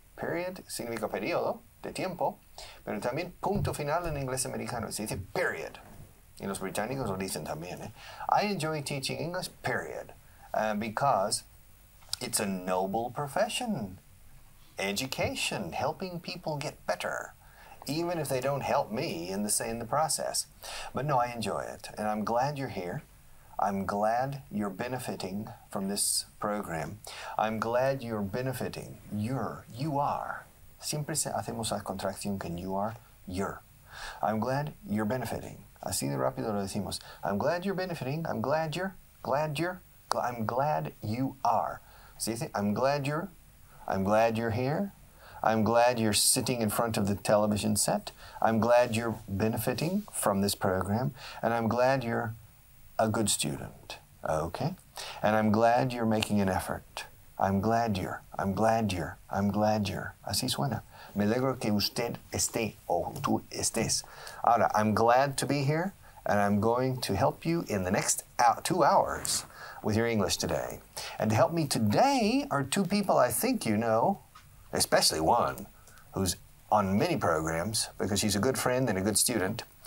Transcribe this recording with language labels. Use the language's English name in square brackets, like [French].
[Spanish] Period significa periodo de tiempo, pero también punto final en inglés americano. Se dice period. Y los británicos lo dicen también, eh? [English] I enjoy teaching English, period, because it's a noble profession. Education, helping people get better, even if they don't help me in the process. But no, I enjoy it, and I'm glad you're here. I'm glad you're benefiting from this program. I'm glad you're benefiting. You are. [Spanish] Siempre hacemos la contracción con [English] you are, you're. I'm glad you're benefiting. [Spanish] Así de rápido lo decimos. [English] I'm glad you're benefiting. I'm glad you're. Glad you're. I'm glad you are. See, I'm glad you're. I'm glad you're here. I'm glad you're sitting in front of the television set. I'm glad you're benefiting from this program. And I'm glad you're a good student. Okay? And I'm glad you're making an effort. I'm glad you're. I'm glad you're. I'm glad you're. [Spanish] Así suena. Me alegro que usted esté o tú estés. [English] Ahora, I'm glad to be here, and I'm going to help you in the next 2 hours with your English today. And to help me today are two people I think you know, especially one, who's on many programs because she's a good friend and a good student.